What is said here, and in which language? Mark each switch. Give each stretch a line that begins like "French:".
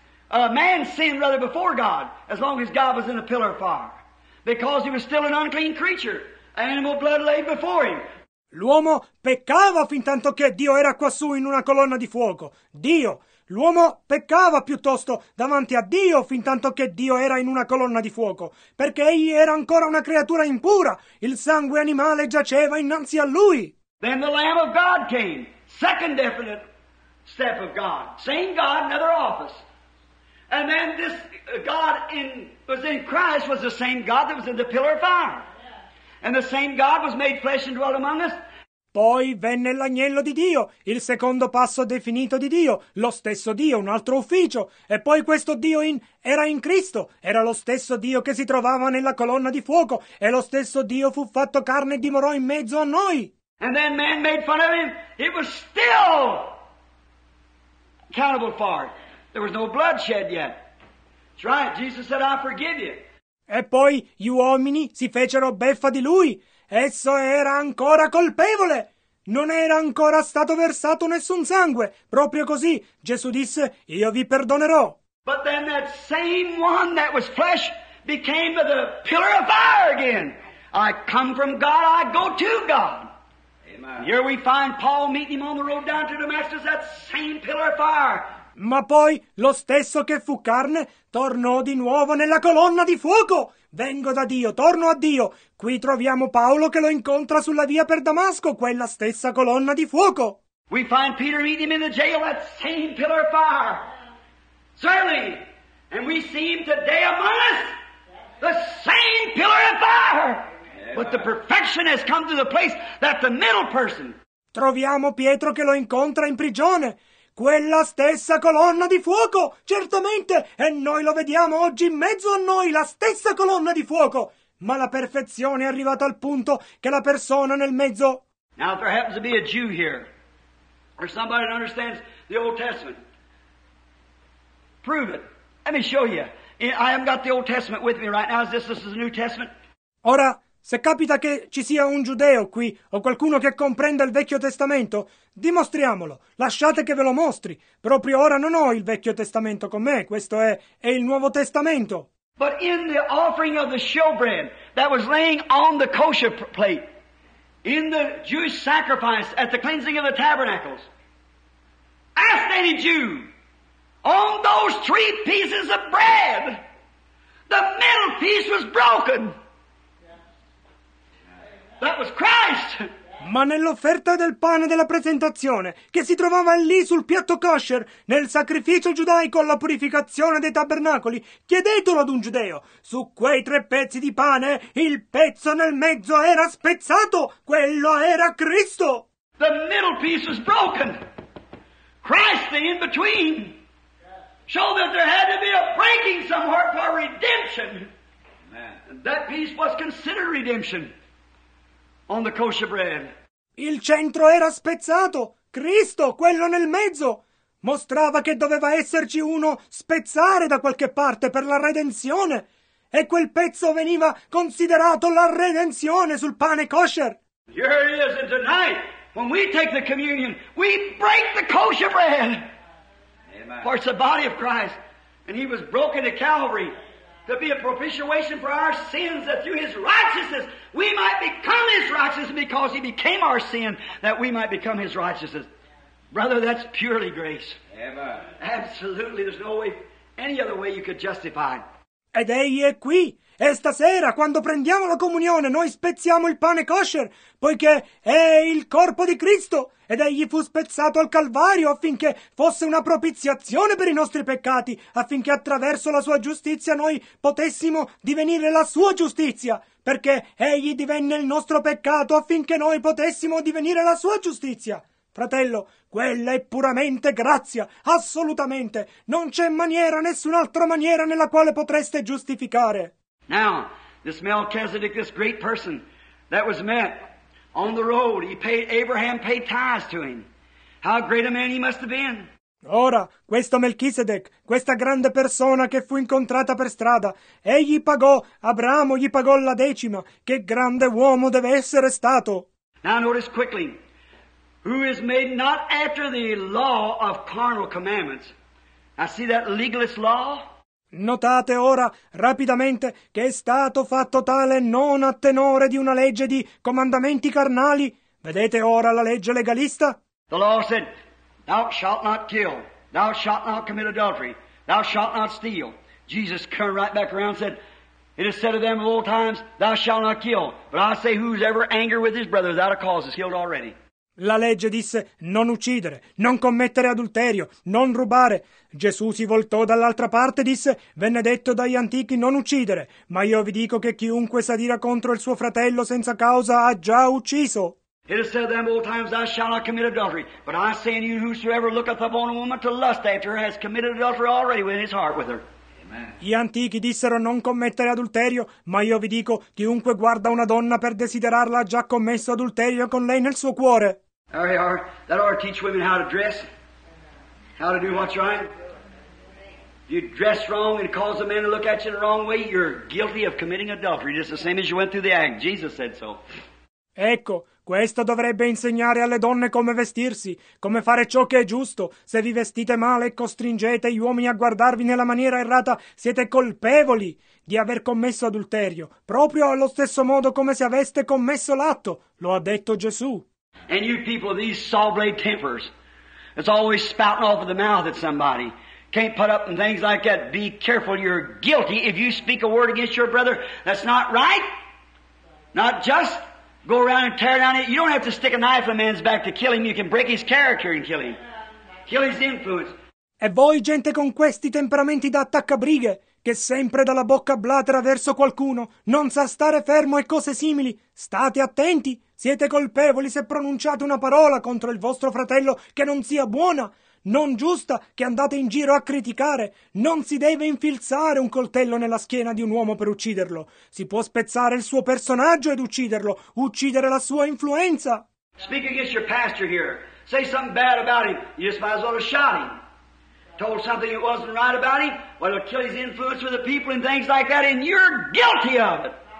English: Man sinned rather before God as long as God was in a pillar of fire, because he was still an unclean creature. Animal blood laid before him.
Italian: L'uomo peccava fin tanto che Dio era quassù in una colonna di fuoco. Dio, l'uomo peccava piuttosto davanti a Dio fin tanto che Dio era in una colonna di fuoco, perché egli era ancora una creatura impura. Il sangue animale giaceva innanzi a lui.
English: Then the Lamb of God came. Second definite step of God. Same God, another office. And then this God was in Christ was the same God that was in the pillar of fire. And the same God was made flesh and dwelt among us.
Italian: Poi venne l'agnello di Dio, il secondo passo definito di Dio, lo stesso Dio, un altro ufficio. E poi questo Dio era in Cristo, era lo stesso Dio che si trovava nella colonna di fuoco, e lo stesso Dio fu fatto carne e dimorò in mezzo a noi.
English: And then man made fun of him. It was still accountable for it. There was no bloodshed yet. That's right. Jesus said, I forgive you.
Italian: E poi gli uomini si fecero beffa di lui. Esso era ancora colpevole. Non era ancora stato versato nessun sangue. Proprio così, Gesù disse, io vi perdonerò.
English: But then that same one that was flesh became the pillar of fire again. I come from God, I go to God. And here we find Paul meeting him on the road down to Damascus, that same pillar of fire.
Italian: Ma poi lo stesso che fu carne tornò di nuovo nella colonna di fuoco. Vengo da Dio, torno a Dio. Qui troviamo Paolo che lo incontra sulla via per Damasco, quella stessa colonna di fuoco.
English: We find Peter meeting him in the jail, that same pillar of fire. Certainly. And we see him today among us, the same pillar of fire. But the perfection has come to the place that the middle person.
Italian: Troviamo Pietro che lo incontra in prigione. Quella stessa colonna di fuoco, certamente, e noi lo vediamo oggi in mezzo a noi, la stessa colonna di fuoco. Ma la perfezione è arrivata al punto che la persona nel mezzo...
English: Now, if there happens to be a Jew here, or somebody that understands the Old Testament, prove it. Let me show you. I haven't got the Old Testament with me right now. Is this the New Testament?
Italian: Ora, se capita che ci sia un giudeo qui, o qualcuno che comprenda il Vecchio Testamento, dimostriamolo, lasciate che ve lo mostri. Proprio ora non ho il Vecchio Testamento con me, questo è il Nuovo Testamento.
English: But in the offering of the showbread that was laying on the kosher plate, in the Jewish sacrifice at the cleansing of the tabernacles, ask any Jew, on those three pieces of bread, the middle piece was broken. That was Christ.
Italian: Ma nell'offerta del pane della presentazione, che si trovava lì sul piatto kosher, nel sacrificio giudaico alla purificazione dei tabernacoli, chiedetelo ad un giudeo. Su quei tre pezzi di pane, il pezzo nel mezzo era spezzato. Quello era Cristo.
English: The middle piece was broken. Christ, the in-between. Show that there had to be a breaking somewhere for redemption. Amen. That piece was considered redemption. On the kosher bread.
Italian: Il centro era spezzato. Cristo, quello nel mezzo. Mostrava che doveva esserci uno spezzare da qualche parte per la redenzione. E quel pezzo veniva considerato la redenzione sul pane kosher.
English: Here it is, and tonight, when we take the communion, we break the kosher bread. Amen. For it's the body of Christ. And he was broken at Calvary. To be a propitiation for our sins, that through his righteousness we might become his righteousness, because he became our sin, that we might become his righteousness. Brother, that's purely grace. Amen. Absolutely, there's no way, any other way you could justify.
Italian: Ed egli è qui, e stasera, quando prendiamo la comunione, noi spezziamo il pane kosher, poiché è il corpo di Cristo, ed egli fu spezzato al Calvario affinché fosse una propiziazione per i nostri peccati, affinché attraverso la sua giustizia noi potessimo divenire la sua giustizia, perché egli divenne il nostro peccato affinché noi potessimo divenire la sua giustizia. Fratello, quella è puramente grazia, assolutamente. Non c'è maniera, nessun'altra maniera nella quale potreste giustificare.
English: Now, this Melchizedek, this great person that was met on the road, Abraham paid tithes to him. How great a man he must have been.
Italian: Ora, questo Melchizedek, questa grande persona che fu incontrata per strada, egli pagò, Abramo gli pagò la decima. Che grande uomo deve essere stato.
English: Now notice quickly. Who is made not after the law of carnal commandments. I see that legalist law.
Italian: Notate ora, rapidamente, che è stato fatto tale non a tenore di una legge di comandamenti carnali. Vedete ora la legge legalista?
English: The law said, thou shalt not kill, thou shalt not commit adultery, thou shalt not steal. Jesus turned right back around and said, it is said of them of old times, thou shalt not kill. But I say, who's ever angered with his brother without a cause is killed already.
Italian: La legge disse, non uccidere, non commettere adulterio, non rubare. Gesù si voltò dall'altra parte e disse, venne detto dagli antichi non uccidere, ma io vi dico che chiunque s'adira contro il suo fratello senza causa ha già ucciso.
English: It is said of them old times, thou shalt not commit adultery, but I say unto you, whosoever looketh upon a woman to lust after her has committed adultery already within his heart with her.
Italian: Gli antichi dissero non commettere adulterio, ma io vi dico, chiunque guarda una donna per desiderarla ha già commesso adulterio con lei nel suo cuore.
English: That ought to teach women how to dress, how to do what's right. If you dress wrong and cause a man to look at you in the wrong way, you're guilty of committing adultery, just the same as you went through the act. Jesus said so.
Italian: Ecco. Questo dovrebbe insegnare alle donne come vestirsi, come fare ciò che è giusto. Se vi vestite male e costringete gli uomini a guardarvi nella maniera errata, siete colpevoli di aver commesso adulterio, proprio allo stesso modo come se aveste commesso l'atto. Lo ha detto Gesù.
English: And you people, these saw blade tempers, it's always spouting off of the mouth at somebody. Can't put up and things like that. Be careful. You're guilty if you speak a word against your brother. That's not right. Not just go around and tear down it. You don't have to stick a knife in a man's back to kill him. You can break his character and kill him. Kill his influence.
Italian: E voi, gente con questi temperamenti da attaccabrighe, che sempre dalla bocca blatera verso qualcuno, non sa stare fermo e cose simili, state attenti. Siete colpevoli se pronunciate una parola contro il vostro fratello che non sia buona. Non giusta che andate in giro a criticare. Non si deve infilzare un coltello nella schiena di un uomo per ucciderlo. Si può spezzare il suo personaggio ed ucciderlo, uccidere la sua influenza.
English: Speak against your pastor here. Say something bad about him. You just might as well have shot him. Told something that wasn't right about him. Well, it'll kill his influence with the people and things like that, and you're guilty of it.